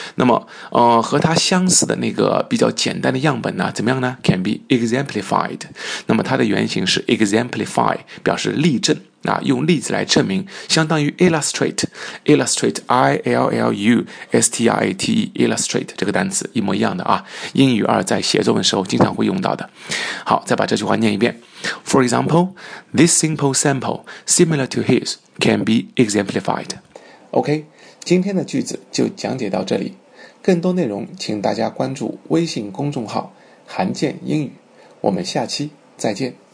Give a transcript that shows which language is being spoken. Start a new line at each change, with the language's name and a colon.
Chinese: 那么和他相似的那个比较简单的样本呢怎么样呢， can be exemplified，那么它的原型是 exemplify， 表示例证啊，用例子来证明，相当于 illustrate， illustrate， I L L U S T R A T E， illustrate 这个单词一模一样的啊，英语二在写作文时候经常会用到的。好，再把这句话念一遍。
English: For example, this simple sample similar to his can be exemplified.
Chinese: OK, 今天的句子就讲解到这里，更多内容请大家关注微信公众号韩健英语，我们下期再见。